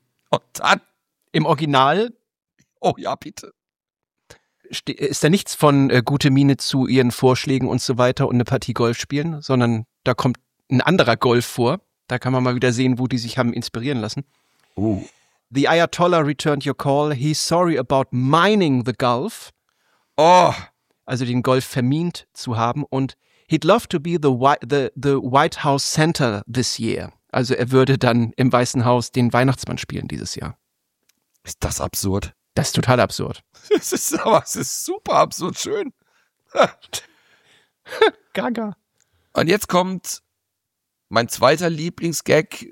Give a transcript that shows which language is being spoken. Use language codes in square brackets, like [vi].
[de] Und dann? Im Original? Oh ja, bitte. Ist da nichts von gute Miene zu ihren Vorschlägen und so weiter und eine Partie Golf spielen, sondern da kommt ein anderer Golf vor. Da kann man mal wieder sehen, wo die sich haben inspirieren lassen. Oh. [en] The Ayatollah returned your call. He's sorry about mining the Gulf. Oh. [de] Also den Golf vermint zu haben. [en] Und he'd love to be the White House Santa this year. [de] Also er würde dann im Weißen Haus den Weihnachtsmann spielen dieses Jahr. Ist das absurd? Das ist total absurd. Es ist super absurd schön. Gaga. Und jetzt kommt mein zweiter Lieblingsgag.